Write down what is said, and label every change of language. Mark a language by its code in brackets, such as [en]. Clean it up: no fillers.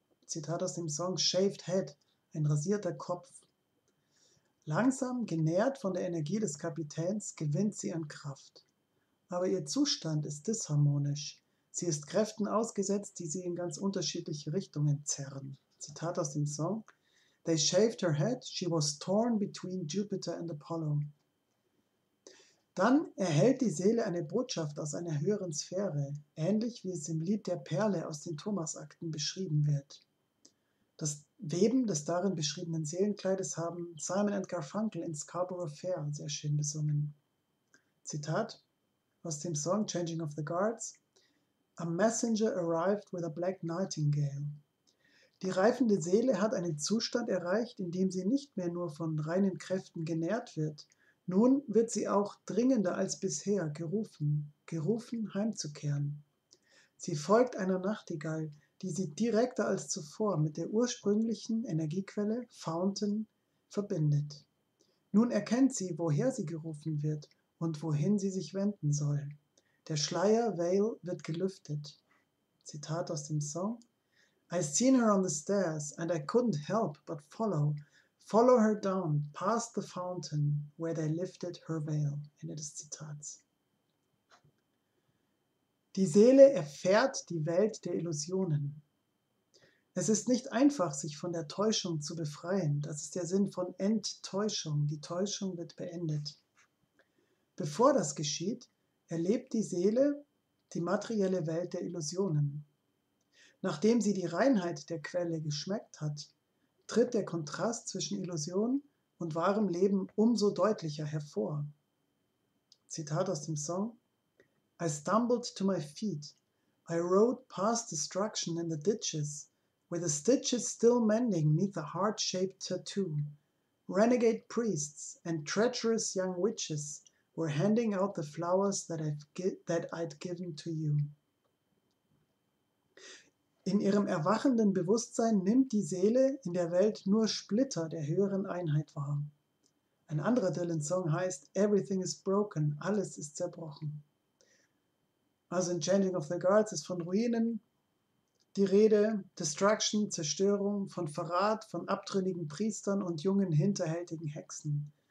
[de] Zitat aus dem Song Shaved Head, ein rasierter Kopf. Langsam, genährt von der Energie des Kapitäns, gewinnt sie an Kraft. Aber ihr Zustand ist disharmonisch. Sie ist Kräften ausgesetzt, die sie in ganz unterschiedliche Richtungen zerren. Zitat aus dem Song [en] They shaved her head, she was torn between Jupiter and Apollo. [de] Dann erhält die Seele eine Botschaft aus einer höheren Sphäre, ähnlich wie es im Lied der Perle aus den Thomasakten beschrieben wird. Das Weben des darin beschriebenen Seelenkleides haben Simon and Garfunkel in Scarborough Fair sehr schön besungen. Zitat aus dem Song [en] Changing of the Guards: A messenger arrived with a black nightingale. [de] Die reifende Seele hat einen Zustand erreicht, in dem sie nicht mehr nur von reinen Kräften genährt wird. Nun wird sie auch dringender als bisher gerufen, heimzukehren. Sie folgt einer Nachtigall, die sie direkter als zuvor mit der ursprünglichen Energiequelle, Fountain, verbindet. Nun erkennt sie, woher sie gerufen wird und wohin sie sich wenden soll. Der Schleier, Veil, wird gelüftet. Zitat aus dem Song. [en] I seen her on the stairs and I couldn't help but follow. Follow her down, past the fountain, where they lifted her veil. [de] Ende des Zitats. Die Seele erfährt die Welt der Illusionen. Es ist nicht einfach, sich von der Täuschung zu befreien. Das ist der Sinn von Enttäuschung. Die Täuschung wird beendet. Bevor das geschieht, erlebt die Seele die materielle Welt der Illusionen. Nachdem sie die Reinheit der Quelle geschmeckt hat, tritt der Kontrast zwischen Illusion und wahrem Leben umso deutlicher hervor. Zitat aus dem Song: [en] I stumbled to my feet. I rode past destruction in the ditches, where the stitches still mending neath a heart-shaped tattoo. Renegade priests and treacherous young witches were handing out the flowers that I'd given to you. [de] In ihrem erwachenden Bewusstsein nimmt die Seele in der Welt nur Splitter der höheren Einheit wahr. Ein anderer Dylan-Song heißt Everything is Broken, alles ist zerbrochen. Also in Changing of the Guards ist von Ruinen die Rede, Destruction, Zerstörung, von Verrat, von abtrünnigen Priestern und jungen hinterhältigen Hexen.